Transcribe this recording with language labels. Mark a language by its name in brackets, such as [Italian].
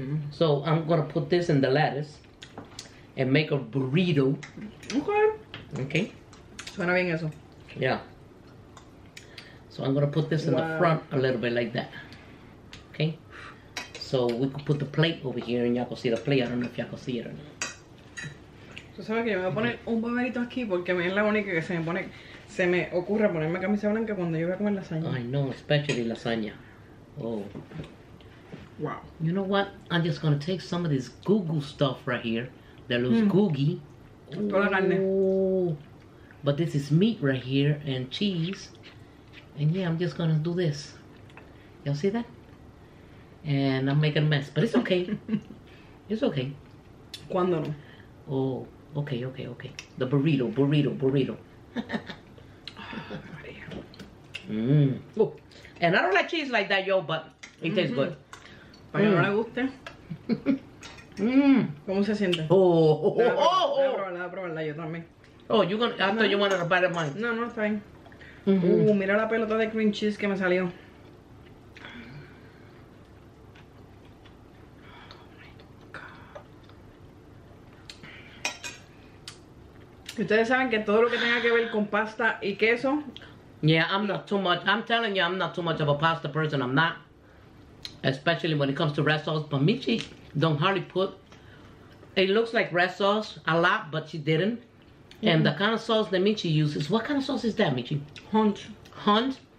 [English] So I'm gonna put this in the lattice and make a burrito. [Spanish] Okay. Suena bien eso. [English] Yeah. So I'm gonna put this in the front a little bit like that. Okay. So we could put the plate over here and y'all can see the plate. I don't know if y'all can see it or not. [Spanish] So sabes que yo me voy a poner un baberito aquí porque me es la única que se me ocurre ponerme camisa blanca cuando yo voy a comer lasaña. [English] I know, especially lasaña. Oh. Wow. You know what? I'm just gonna take some of this googoo stuff right here. That looks googie. [Spanish] Toda carne. [English] But this is meat right here and cheese. And yeah, I'm just gonna do this. Y'all see that? And I'm making a mess. But it's okay. It's okay. [Spanish] ¿Cuándo no? [English] Oh, okay. The burrito. Oh, mm. Oh. And I don't like cheese like that, yo, but it tastes good. [Spanish] Para que no le guste. ¿Cómo se siente? Voy a probarla yo también. [English] Oh, you gonna, I thought you wanted a bite of mine. [Spanish] No, está bien. Mira la pelota de cream cheese que me salió. [English] Oh my God. [Spanish] Ustedes saben que todo lo que tenga que ver con pasta y queso. [English] Yeah, I'm not too much. I'm telling you, I'm not too much of a pasta person. I'm not. Especially when it comes to red sauce, but Michi don't hardly put. It looks like red sauce a lot, but she didn't. And the kind of sauce that Michi uses, what kind of sauce is that, Michi? Hunt,